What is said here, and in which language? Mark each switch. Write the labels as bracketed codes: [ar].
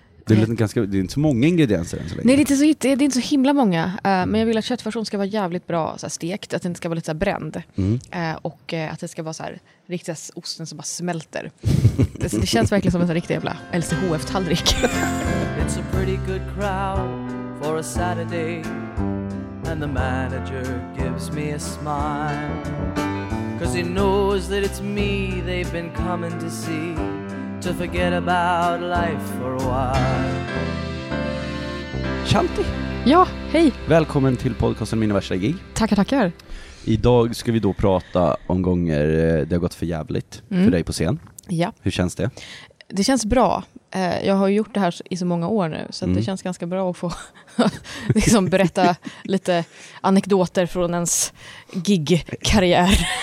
[sv] Det är inte så många ingredienser än så länge. Nej, det är inte så himla många. Men jag vill att köttfärssåsen ska vara jävligt bra så här stekt. Att den inte ska vara lite så här bränd. Och att det ska vara så här, riktigt så här, osten som bara smälter. Det känns verkligen som en så här, riktig jävla LCHF-tallrik. [en] It's a pretty good crowd for a Saturday. And the manager gives me a smile. 'Cause he knows that it's me they've been coming to see. To forget about life for a while. Chanti. [sv] Ja, hej. Välkommen till podcasten Mina värsta gig. Tackar, tackar. Idag ska vi då prata om gånger det har gått för jävligt för dig på scen. Ja. Hur känns det? det känns bra. Jag har ju gjort det här i så många år nu, så att det känns ganska bra att få liksom berätta lite anekdoter från ens gigkarriär.